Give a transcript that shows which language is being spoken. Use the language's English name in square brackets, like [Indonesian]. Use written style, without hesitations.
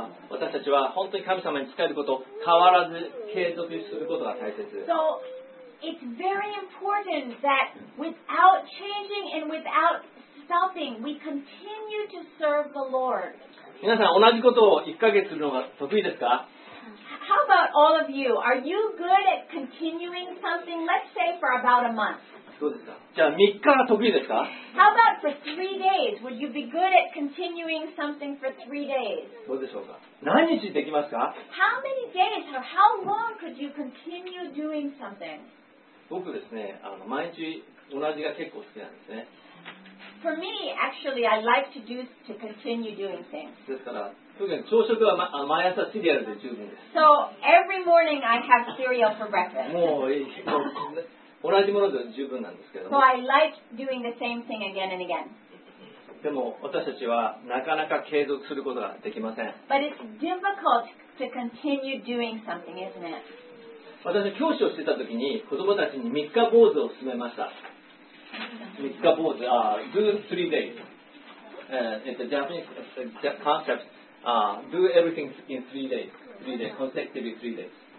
[Japanese] 私たちは本当に神様に仕えること、変わらず継続することが大切。 [English] So, it's very important that without changing and without stopping, we continue to serve the Lord. [Japanese] 皆さん、同じことを1ヶ月するのが得意ですか? [English] How about all of you? Are you good at continuing something, let's say, for about a month? [Japanese] どうですか? じゃあ3日は得意ですか? [English] How about for 3 days? Would you be good at continuing something for 3 days? [Japanese] どうでしょうか?何日できますか? [English] How many days or how long could you continue doing something? [Japanese] 僕ですね、毎日同じが結構好きなんですね。 [English] For me, actually, I like to continue doing things. [Japanese] ですから、特に朝食は毎朝シリアルで十分です。 [English] So, every morning I have cereal for breakfast. [Japanese] もういい。同じもので十分なんですけども。 [English] So I like doing the same thing again and again. [Japanese] でも私たちはなかなか継続することができません。 [English] But it's difficult to continue doing something, isn't it? [Japanese] 私は教師をしてた時に子供たちに三日坊主を勧めました。 [English] 三日坊主、do three days. It's a Japanese concept. Do everything in three days, consecutively 3 days.